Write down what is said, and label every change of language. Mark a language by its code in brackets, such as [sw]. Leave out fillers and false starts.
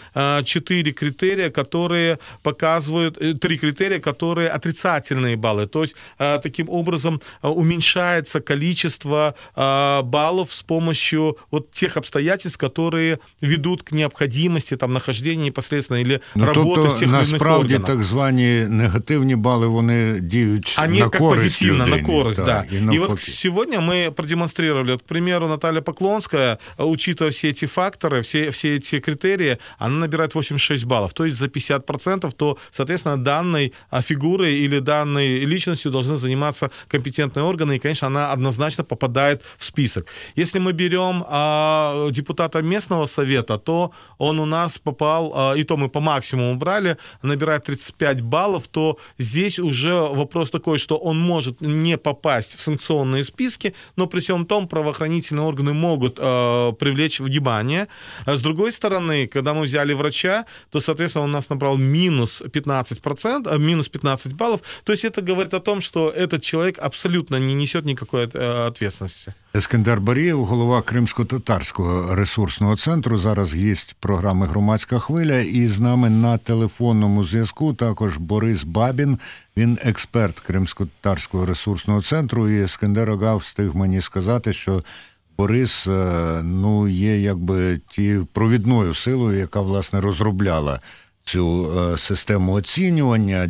[ru] 4 критерия, которые показывают, 3 критерия, которые отрицательные баллы, то есть таким образом уменьшается количество баллов с помощью вот тех обстоятельств, которые ведут к необходимости там нахождения непосредственно или работы в тех или иных органах. [uk] Насправді, так звані негативні бали, вони діють на користь. [ru] Они как позитивно, людей, [uk] на користь, да. [ru] И вот сегодня мы продемонстрировали. К примеру, Наталья Поклонская, учитывая все эти факторы, все эти критерии, она набирает 86 баллов. То есть за 50%, то, соответственно, данной фигурой или данной личностью должны заниматься компетентные органы, и, конечно, она однозначно попадает в список. Если мы берем депутата местного совета, то он у нас попал, и то мы по максимуму брали, набирает 35 баллов, то здесь уже вопрос такой, что он может не попасть в санкционные списки, но при всем том, правоохранительные органы могут привлечь внимание. С другой стороны, когда мы взяли врача, то, соответственно, он нас набрал минус 15 баллов. То есть это говорит о том, что этот человек абсолютно не несет никакой ответственности. [uk] Ескендер Барієв, голова Кримсько-Татарського ресурсного центру, зараз гість програми «Громадська хвиля». І з нами на телефонному зв'язку також Борис Бабін, він експерт Кримсько-Татарського ресурсного центру. І Ескендер Ага встиг мені сказати, що Борис є якби тією провідною силою, яка, власне, розробляла цю систему оцінювання.